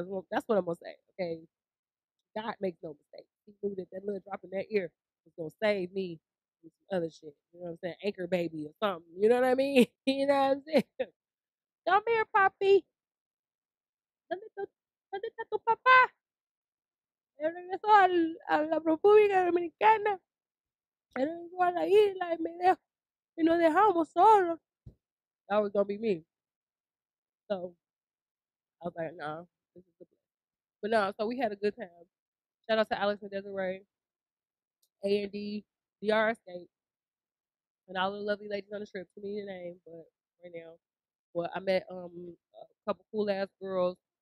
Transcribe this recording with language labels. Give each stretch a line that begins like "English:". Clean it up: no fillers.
English: That's what I'm going to say, okay? God makes no mistakes. He knew that little drop in that ear was going to save me with some other shit. You know what I'm saying? Anchor baby or something. You know what I mean? You know what I'm saying? Come here, Poppy. The little
Spanish: ¿Dónde está tu papá? Él regresó a la República Dominicana. Él regresó a la isla y me dejó. Y nos dejamos solos.
English: That was gonna be me. So, I was like, no, this is the place. But no, so we had a good time. Shout out to Alex and Desiree, A&D, DR Escape, and all the lovely ladies on the trip. Give me your name, but right now. Well, I met a couple cool ass girls.